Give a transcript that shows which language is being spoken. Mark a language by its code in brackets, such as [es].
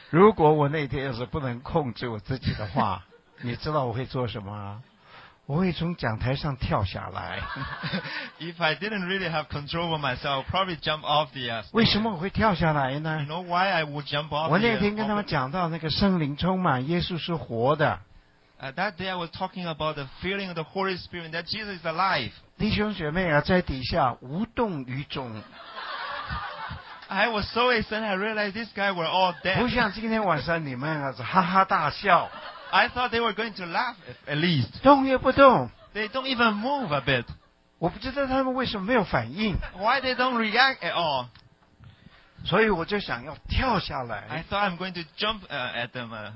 [zh] 如果我那天要是不能控制我自己的话, 你知道我会做什么? 我会从讲台上跳下来。 [en] If I didn't really have control over myself, I'd probably jump off the stage. [zh] 为什么我会跳下来呢? [en] You know why I would jump off the [zh] 我那天跟他们讲到那个圣灵充满耶稣是活的。 [en] That day I was talking about the feeling of the Holy Spirit that Jesus is alive. [zh] 弟兄姐妹啊，在底下无动于衷。 [en] I was so excited, I realized this guy were all dead. [zh] 不像今天晚上你们啊，是哈哈大笑。 [en] I thought they were going to laugh at least. [zh] 动也不动。 [en] They don't even move a bit. [zh] 我不知道他们为什么没有反应。 [en] Why they don't react at all? [zh] 所以我就想要跳下来。 [en] I thought I'm going to jump at them.